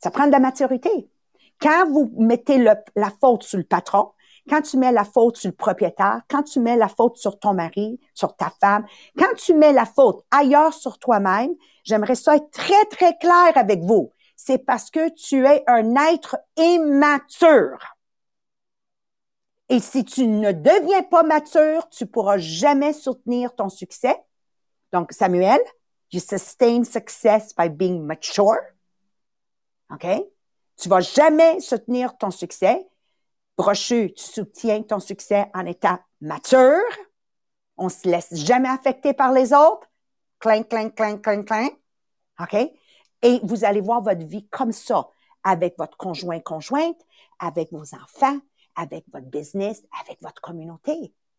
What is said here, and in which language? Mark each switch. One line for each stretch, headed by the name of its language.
French: Ça prend de la maturité. Quand vous mettez la faute sur le patron, quand tu mets la faute sur le propriétaire, quand tu mets la faute sur ton mari, sur ta femme, quand tu mets la faute ailleurs sur toi-même, j'aimerais ça être très, très clair avec vous. C'est parce que tu es un être immature. Et si tu ne deviens pas mature, tu pourras jamais soutenir ton succès.
English: Donc, Samuel, you sustain success by being mature.
French: OK? Tu vas jamais soutenir ton succès. Brochu, tu soutiens ton succès en étant mature. On se laisse jamais affecter par les autres. Clink, clink, clink, clink, clink. OK? Et vous allez voir votre vie comme ça, avec votre conjoint, conjointe, avec vos enfants, avec votre business, avec votre communauté.